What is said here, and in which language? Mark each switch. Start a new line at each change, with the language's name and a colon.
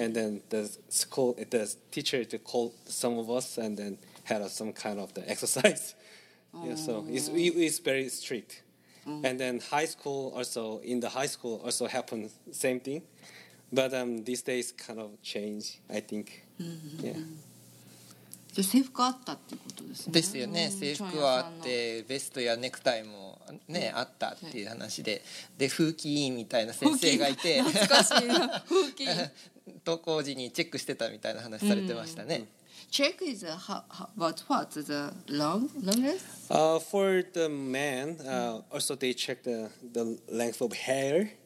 English: and then the school, the teacher to call some of us and then had some kind of the exercise. Oh. Yeah, so it's very strict. Mm. And then high school also, in the high school also happened same thing. But these days kind of change, I think. Mm-hmm. Yeah.
Japanese: じゃあ制服あったっていうことですね。ですよね、制服はあってベストやネクタイもね、あったっていう話で、で風紀委員みたいな先生がいて、懐かしいな風紀委員登校時にチェックしてたみたいな話されてましたね。
English: Check is what's the longest? For the man, also they check the length of hair.